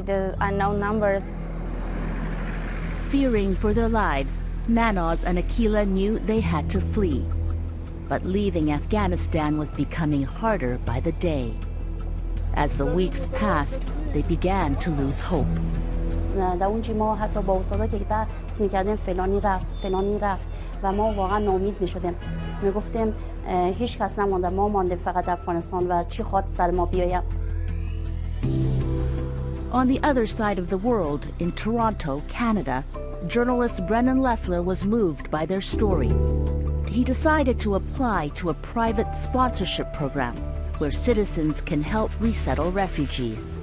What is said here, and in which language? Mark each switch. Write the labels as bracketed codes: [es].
[en] The unknown numbers. Fearing for their lives, Manoz and Akilah knew they had to flee. But leaving Afghanistan was becoming harder by the day. As the weeks passed, they began to lose hope. [fa] در اونجا ما حتی با اصلا که درس میکردیم فلانی رفت و ما واقعا ناامید میشدیم. میگفتیم هیچ کس نمانده ما مانده فقط افغانستان و چی خواهد سر ما بیاید. [en] On the other side of the world, in Toronto, Canada, journalist Brennan Leffler was moved by their story. He decided to apply to a private sponsorship program where citizens can help resettle refugees.